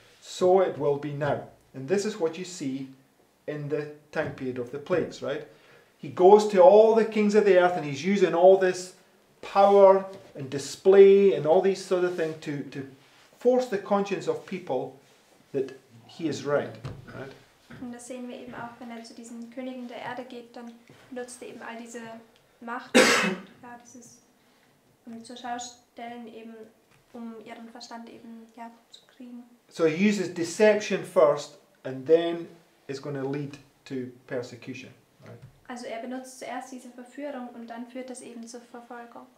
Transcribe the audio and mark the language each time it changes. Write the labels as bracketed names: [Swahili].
[English] So it will be now. And this is what you see in the time period of the plagues, right? He goes to all the kings of the earth and he's using all this power and display and all these sort of things to force the conscience of people that he is right, right? [German] Und das sehen wir eben auch, wenn er zu diesen Königen der Erde geht, dann nutzt er eben all diese Macht, ja, dieses, um zur Schau stellen eben, um ihren Verstand eben, ja, zu kriegen. [English] So he uses deception first, and then it's going to lead to persecution, right? [German] Also er benutzt zuerst diese Verführung, und dann führt das eben zur Verfolgung.